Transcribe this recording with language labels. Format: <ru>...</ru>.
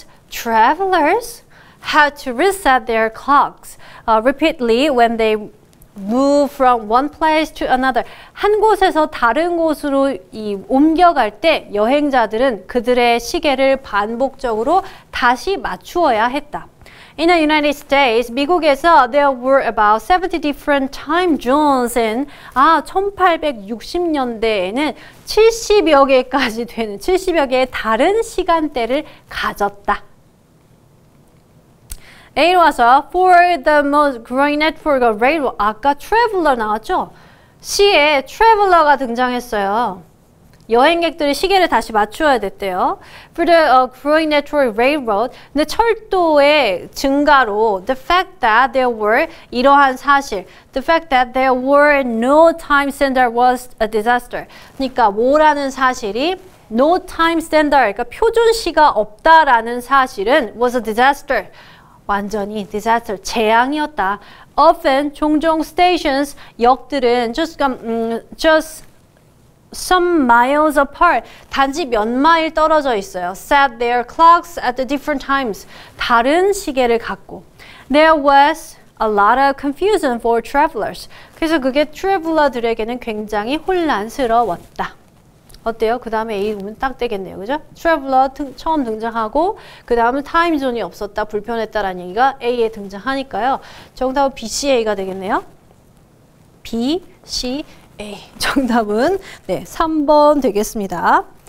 <en>Travelers had to reset their clocks repeatedly when they move from one place to another.</en> <ko>한 곳에서 다른 곳으로 이 옮겨갈 때 여행자들은 그들의 시계를 반복적으로 다시 맞추어야 했다.</ko> <en>In the United States,</en> <ko>미국에서</ko> <en>there were about 70 different time zones in</en> <ko>1860년대에는 70여 개까지 되는 70여 개의 다른 시간대를 가졌다.</ko> <en>It was for the most growing network of railroad.</en> <ko>아까 traveler 나왔죠? C에 traveler가 등장했어요. 여행객들이 시계를 다시 맞추어야 됐대요.</ko> <en>For the growing network of railroad.</en> <ko>근데 철도의 증가로</ko> <en>the fact that there were,</en> <ko>이러한 사실,</ko> <en>the fact that there were no time standard was a disaster.</en> <ko>그러니까 뭐라는 사실이</ko> <en>no time standard,</en> <ko>그러니까 표준시가 없다라는 사실은</ko> <en>was a disaster.</en> <ko>완전히 disaster, 재앙이었다. Often, 종종 stations, 역들은</ko> <en>just some miles apart,</en> <ko>단지 몇 마일 떨어져 있어요.</ko> <en>Set their clocks at the different times,</en> <ko>다른 시계를 갖고.</ko> <en>There was a lot of confusion for travelers.</en> <ko>그래서 그게 traveler들에게는 굉장히 혼란스러웠다. 어때요? 그 다음에 A 보면 딱 되겠네요. 그죠? Traveler 처음 등장하고 그 다음은 타임존이 없었다, 불편했다라는 얘기가 A에 등장하니까요. 정답은 B, C, A가 되겠네요. B, C, 에이, 정답은 네, 3번 되겠습니다.</ko>